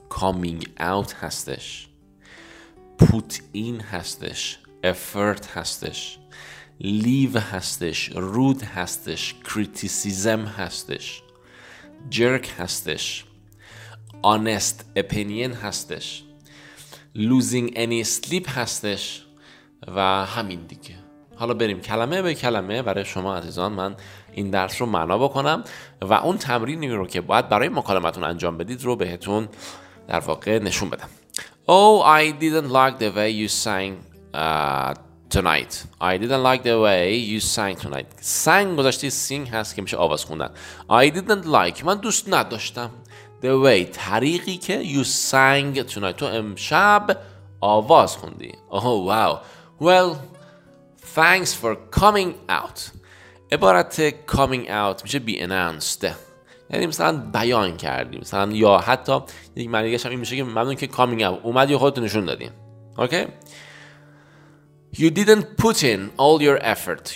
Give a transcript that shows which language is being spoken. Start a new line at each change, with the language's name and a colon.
English: Coming out هستش، put in هستش، effort هستش، leave هستش، rude هستش، criticism هستش، jerk هستش، honest opinion هستش، losing any sleep هستش
Persian: و همین دیگه. حالا بریم کلمه به کلمه برای شما عزیزان من این درس رو معنا بکنم و اون تمرینی رو که باید برای مکالمتون انجام بدید رو بهتون در واقع نشون بدم.
English: Oh, I didn't like the way you sang tonight. I didn't like the way you sang tonight.
Persian: Sang گذاشته sing هست که میشه آواز خوندن.
English: I didn't like،
Persian: من دوست نداشتم.
English: The way،
Persian: طریقی که
English: you sang tonight،
Persian: تو امشب آواز خوندی.
English: Oh wow. Well, thanks for coming out.
Persian: عبارت coming out میشه
English: be announced.
Persian: یعنی مثلا بیان کردیم، مثلا یا حتی یک معنی دیگه‌ش هم این میشه که ممنون که
English: coming out
Persian: اومدی و خودتو نشون دادیم.
English: Okay? You didn't put in all your effort.